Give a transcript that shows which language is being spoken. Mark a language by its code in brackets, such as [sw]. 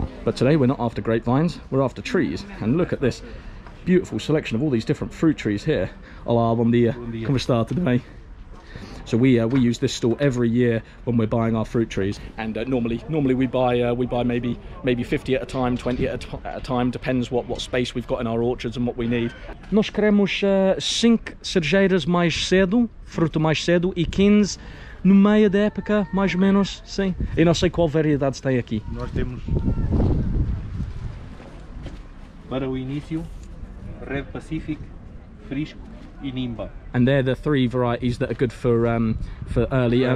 [en] But today we're not after grapevines. We're after trees. And look at this beautiful selection of all these different fruit trees here. [pt] Olá, bom dia. Como está? Tudo bem? [en] So we use this stall every year when we're buying our fruit trees. And normally we buy maybe 50 at a time, 20 at a time, depends what space we've got in our orchards and what we need. [pt] Nós queremos 5 cerejeiras mais cedo, fruto mais cedo, e 15 no meio da época, mais ou menos, sim. Eu não sei qual variedade tem aqui. Nós temos para o início, Red Pacific, Frisco e Nimba. [en] And they're the three varieties that are good for early.